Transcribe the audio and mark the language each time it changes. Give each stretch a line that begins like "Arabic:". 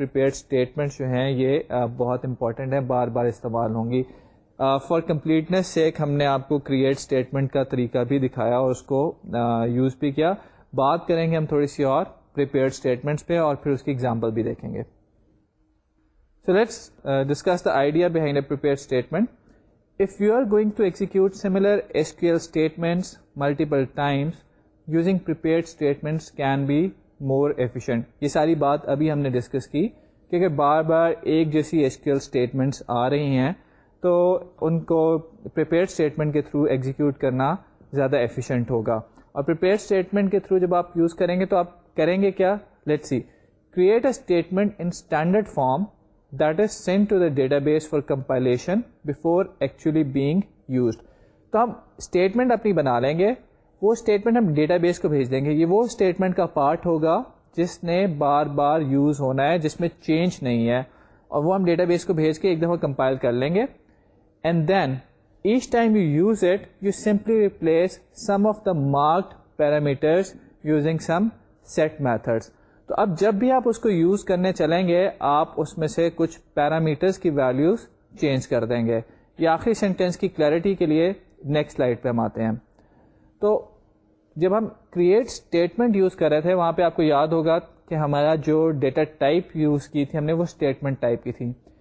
Urdu: Prepared statements جو ہیں یہ بہت امپورٹنٹ ہیں, بار بار استعمال ہوں گی. فار کمپلیٹنس سیک ہم نے آپ کو کریٹ اسٹیٹمنٹ کا طریقہ بھی دکھایا اور اس کو یوز بھی کیا. بات کریں گے ہم تھوڑی سی اور پریپیئرڈ اسٹیٹمنٹس پہ اور پھر اس کی ایگزامپل بھی دیکھیں گے.
English: So let's discuss the idea behind a prepared statement. If you are going to execute similar SQL statements multiple times, using prepared statements can be more efficient.
Urdu: یہ ساری بات ابھی ہم نے ڈسکس کی کہ اگر بار بار ایک جیسی SQL statements آ رہی ہیں تو ان کو prepared statement کے through execute کرنا زیادہ efficient ہوگا. اور prepared statement کے through جب آپ یوز کریں گے تو آپ کریں گے کیا,
English: let's see. Create a statement in standard form that is sent to the database for compilation before actually being used.
Urdu: تو ہم اسٹیٹمنٹ اپنی بنا لیں گے, وہ اسٹیٹمنٹ ہم ڈیٹا بیس کو بھیج دیں گے. یہ وہ اسٹیٹمنٹ کا پارٹ ہوگا جس نے بار بار یوز ہونا ہے, جس میں چینج نہیں ہے, اور وہ ہم ڈیٹا بیس کو بھیج کے ایک دفعہ کمپائل کر لیں گے.
English: And then each time you use it you simply replace some of the marked parameters using some set methods.
Urdu: تو اب جب بھی آپ اس کو یوز کرنے چلیں گے آپ اس میں سے کچھ پیرامیٹرز کی ویلیوز چینج کر دیں گے. یہ آخری سینٹینس کی کلیئرٹی کے لیے نیکسٹ سلائیڈ پہ ہم آتے ہیں. تو جب ہم کریٹ اسٹیٹمنٹ یوز کر رہے تھے وہاں پہ آپ کو یاد ہوگا کہ ہمارا جو ڈیٹا ٹائپ یوز کی تھی ہم نے وہ اسٹیٹمنٹ ٹائپ کی تھی.